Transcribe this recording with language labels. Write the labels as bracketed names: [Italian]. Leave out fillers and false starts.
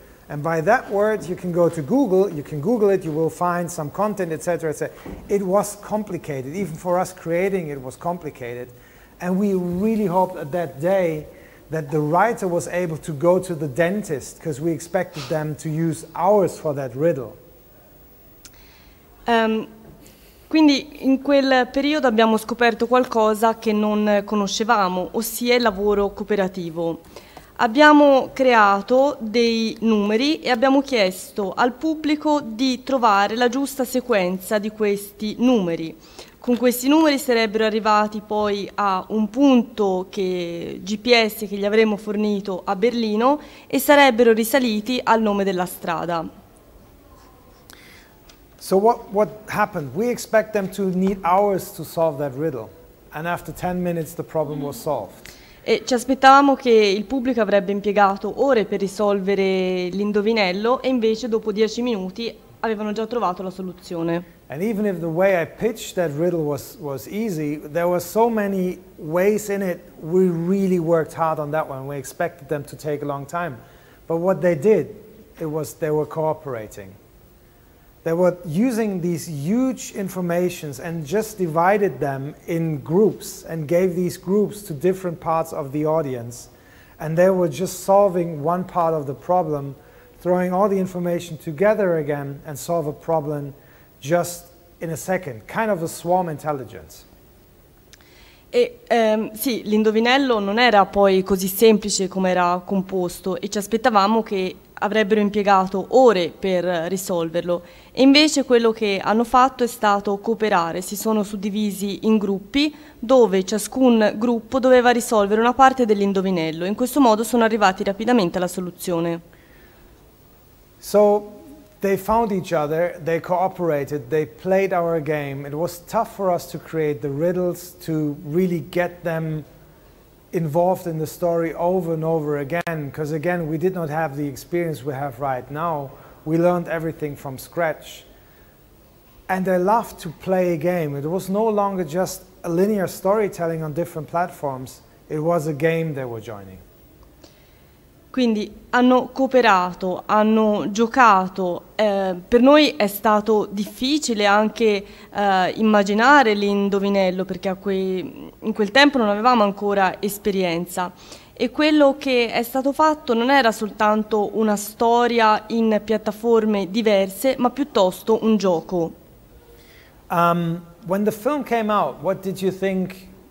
[English] And by that word, you can go to Google, you can Google it, you will find some content, etc., etc. It was complicated. Even for us creating it was complicated. And we really hoped at that day that the writer was able to go to the dentist, because we expected them to use ours for that riddle. [Italian] Quindi in quel periodo abbiamo scoperto qualcosa che non conoscevamo, ossia il lavoro cooperativo. Abbiamo creato dei numeri e abbiamo chiesto al pubblico di trovare la giusta sequenza di questi numeri. Con questi numeri sarebbero arrivati poi a un punto che GPS che gli avremmo fornito a Berlino e sarebbero risaliti al nome della strada. [English] So what happened? We expect them to need hours to solve that riddle, and after 10 minutes the problem was solved. [Italian] E ci aspettavamo che il pubblico avrebbe impiegato ore per risolvere l'indovinello e invece dopo 10 minuti avevano già trovato la soluzione. [English] And even if the way I pitched that riddle was easy, there were so many ways in it. We really worked hard on that one. We expected them to take a long time. But what they did, it was they were cooperating. They were using these huge informations and just divided them in groups and gave these groups to different parts of the audience. And they were just solving one part of the problem, throwing all the information together again and solve a problem just in a second, kind of a swarm intelligence. [Italian] Sì, l'indovinello non era poi così semplice come era composto e ci aspettavamo che avrebbero impiegato ore per risolverlo. E invece quello che hanno fatto è stato cooperare, si sono suddivisi in gruppi dove ciascun gruppo doveva risolvere una parte dell'indovinello. In questo modo sono arrivati rapidamente alla soluzione. [English] So they found each other, they cooperated, they played our game. It was tough for us to create the riddles, to really get them involved in the story over and over again, because again, we did not have the experience we have right now. We learned everything from scratch. And they loved to play a game. It was no longer just a linear storytelling on different platforms. It was a game they were joining. [Italian] Quindi hanno cooperato, hanno giocato. Per noi è stato difficile anche immaginare l'indovinello perché in quel tempo non avevamo ancora esperienza. E quello che è stato fatto non era soltanto una storia in piattaforme diverse, ma piuttosto un gioco. [English] When the film came out, what did you think?